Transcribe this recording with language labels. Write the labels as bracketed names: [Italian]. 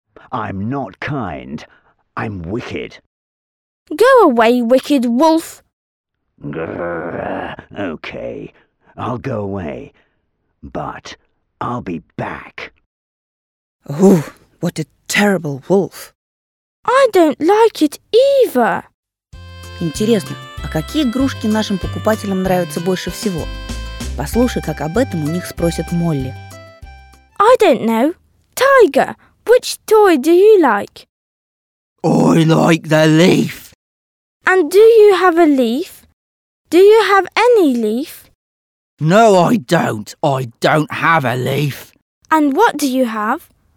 [English] I'm not kind. I'm wicked. Go away, wicked wolf. Grrr, okay, I'll go away. But I'll be back. Ooh, what a terrible wolf. I don't like it either. [Russian] Интересно, а какие игрушки нашим покупателям нравятся больше всего? Послушай, как об этом у них спросит Молли. [English] I don't know. Tiger, which toy do you like? I like the leaf. And do you have a leaf? Do you have any leaf? No, I don't. I don't have a leaf. And what do you have?